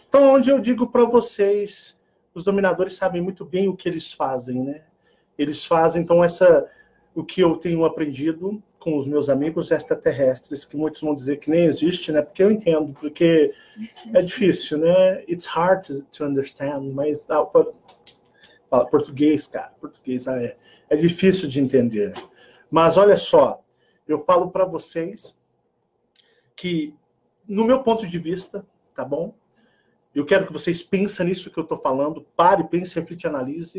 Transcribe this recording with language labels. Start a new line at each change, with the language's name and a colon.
Portuguese: Então, onde eu digo pra vocês, os dominadores sabem muito bem o que eles fazem, né? Eles fazem, então, essa... O que eu tenho aprendido com os meus amigos extraterrestres, que muitos vão dizer que nem existe, né? Porque eu entendo, porque é difícil, né?
English: It's hard to understand,
Portuguese: mas... Fala português, cara. Português, é difícil de entender. Mas olha só, eu falo para vocês que, no meu ponto de vista, tá bom? Eu quero que vocês pensem nisso que eu tô falando. Pare, pense, reflite, analise.